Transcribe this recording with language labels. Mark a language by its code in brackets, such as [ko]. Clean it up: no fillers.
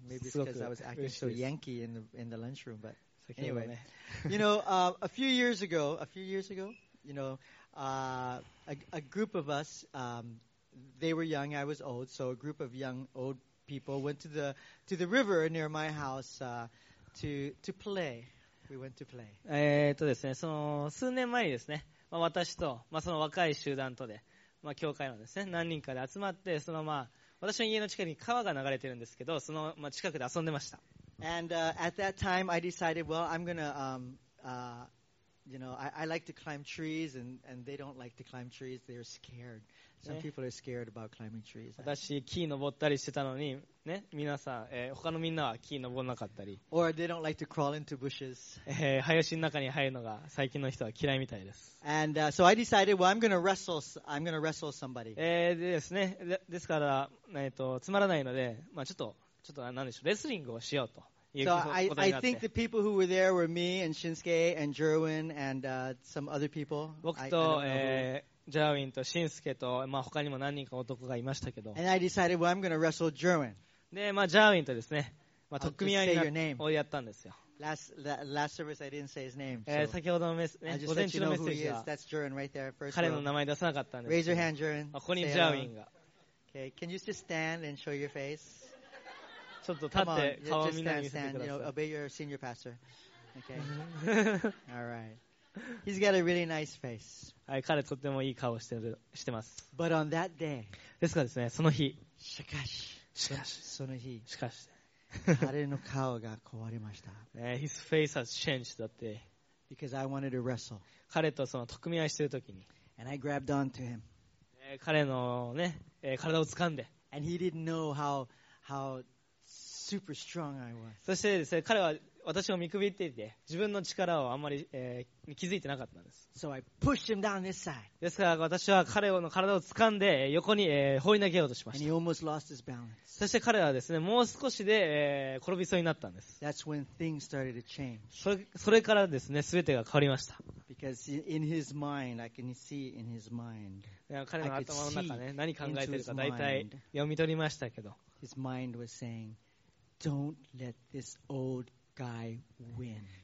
[en] Maybe it's because I was acting so Yankee in the lunchroom. But anyway, you know, a few years ago, you know, a group of us, they were young, I was old. So a group of young, old people went to the river near my house, to play. We went to play. [ja] ですね、その数年前にですね、まあ、私と、まあ、その若い集団とで、まあ、教会のですね、何人かで集まって、そのまあ私の家の近くに川が流れてるんですけど、そのまあ近くで遊んでました。 [en] And at that time, I decided, well, I'm gonna, you know, I like to climb trees, and they don't like to climb trees. They're scared. Some people are scared about climbing trees. [ja] 私木登ったりしてたのに、ね、皆さん、他のみんなは木登らなかったり。 [en] Or they don't like to crawl into bushes. [ja] 林の中に入るのが最近の人は嫌いみたいです。 [en] And so I decided, well, I'm gonna wrestle somebody. [ja] でですね、ですから、つまらないので、まあちょっと何でしょう、レスリングをしようと。 [en] So I think the people who were there were me and Shinsuke and Jerwin and some other people. [ja] 僕と、ジャーウィンとシンスケと、まあ、他にも何人か男がいましたけど。 [en] And I decided, well, I'm gonna wrestle Jerwin. [ja] で、まあ、ジャーウィンとですね、まあ、取っ組み合いをやったんですよ。 [en] Last service, I didn't say his name. [ja] 先ほどのメッセージ、午前中のメッセージは、 [en] That's Jerwin right there, first [ja] 彼の名前出さなかったんです。 [en] Raise your hand, Jerwin. [ja] まあ、ここにジャーウィンが。 [en] Okay, can you just stand and show your face? [ja] ちょっと立って顔を見ないで見せてください。 [en] Come on, just stand. You know, obey your senior pastor. Okay. All right. He's got a really nice face. [ja] はい、彼とってもいい顔をしてます。 [en] But on that day. [ja] ですからですね、その日。しかし。しかし。その日。しかし。彼の顔が壊れました。 [en] His face has changed that day. Because I wanted to wrestle. [ja] 彼とその取っ組み合いしてる時に。 [en] And I grabbed onto him. [ja] 彼のね、体を掴んで。 [en] And he didn't know how super strong I was. [ja] そしてですね、彼は私を見くびっていて、自分の力をあんまり、気づいてなかったんです。 [en] So、I pushed him down this side. [ja] ですから私は彼の体を掴んで横に、放り投げようとしました。 [en] And he almost lost his balance. [ja] そして彼はですね、もう少しで、転びそうになったんです。 [en] That's when things started to change. [ja] それからですね、全てが変わりました。 [en] Because in his mind, I can see in his mind. [ja] 彼の頭の中ね、何考えてるか大体読み取りましたけど。 [en] His mind was saying,Don't let this old guy win.